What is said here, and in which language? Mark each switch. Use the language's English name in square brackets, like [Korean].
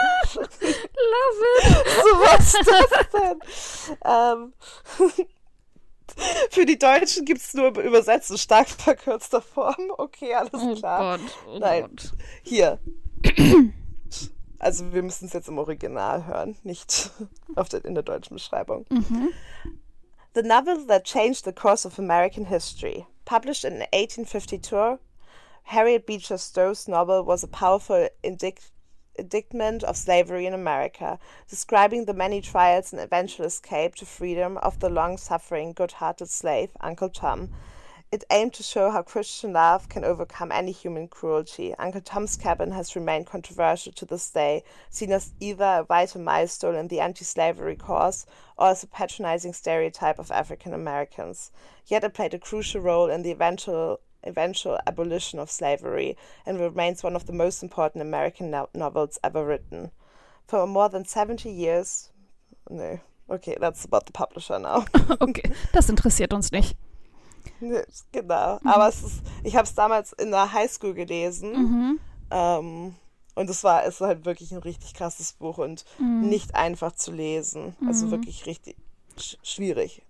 [German] So, was ist das denn? Für die Deutschen gibt es nur übersetzt in stark verkürzter Form. Okay, alles oh klar. Oh Gott, oh nein. Gott. Hier. Also wir müssen es jetzt im Original hören, nicht auf der, in der deutschen Beschreibung. Mm-hmm. [English] The novel that changed the course of American history. Published in 1852, Harriet Beecher Stowe's novel was a powerful indictment of slavery in America, describing the many trials and eventual escape to freedom of the long-suffering, good-hearted slave, Uncle Tom. It aimed to show how Christian love can overcome any human cruelty. Uncle Tom's Cabin has remained controversial to this day, seen as either a vital milestone in the anti-slavery cause or as a patronizing stereotype of African Americans. Yet it played a crucial role in the eventual abolition of slavery and remains one of the most important American novels ever written. For more than 70 years... No. Okay, that's about the publisher now. [German] Okay, das interessiert uns nicht. Genau, aber es ist, ich habe es damals in der Highschool gelesen und es war halt wirklich ein richtig krasses Buch und nicht einfach zu lesen, also wirklich richtig schwierig.